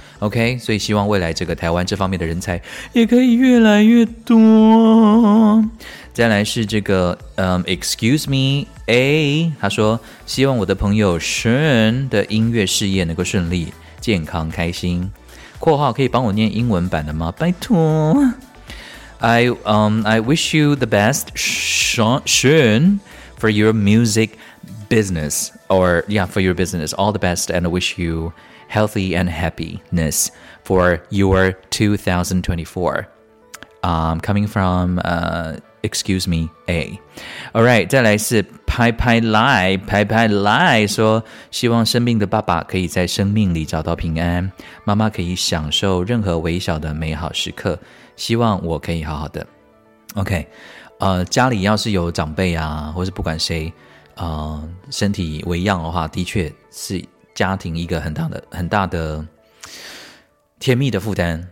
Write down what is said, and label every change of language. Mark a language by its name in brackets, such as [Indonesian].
[Chinese] OK， 所以希望未来这个台湾这方面的人才也可以越来越多。再来是这个 [English] excuse me [Chinese] A， 他说希望我的朋友 Sean 的音乐事业能够顺利、健康、开心。 （括号可以帮我念英文版的吗？拜托。） [English] I wish you the best, Sean, for your music business. Or, yeah, for your business. All the best, and I wish you healthy and happiness for your 2024. Coming from, excuse me, A. [Chinese] Alright, 再来是拍拍赖，拍拍赖说希望生病的爸爸可以在生命里找到平安，妈妈可以享受任何微小的美好时刻。希望我可以好好的。OK， 家里要是有长辈啊，或是不管谁身体为恙的话，的确是家庭一个很大的甜蜜的负担。